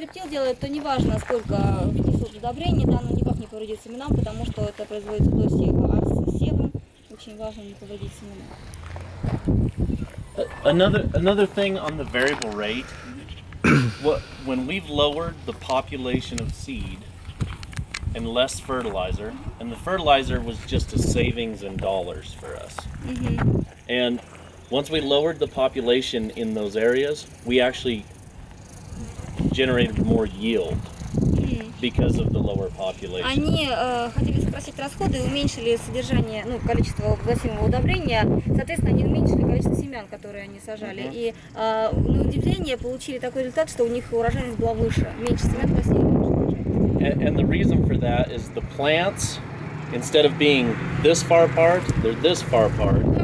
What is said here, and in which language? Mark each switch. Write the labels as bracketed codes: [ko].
[ru] Делает, то неважно, сколько внесут удобрений, да, но никак не повредит семенам, потому что это производится до сева. А с севом очень важно не повредить семена. [en] Another thing on the variable rate. When we've lowered the population of seed and less fertilizer, and the fertilizer was just a savings in dollars for us. And once we lowered the population in those areas, we actually generated more yield because of the lower population. [ru] Они хотели сократить расходы, уменьшили содержание, количество вносимого удобрения. Соответственно, они уменьшили количество семян, которые они сажали. И на удивление получили такой результат, что у них урожайность была выше, меньше семян вносили. [en] And the reason for that is the plants, instead of being this far apart, they're this far apart.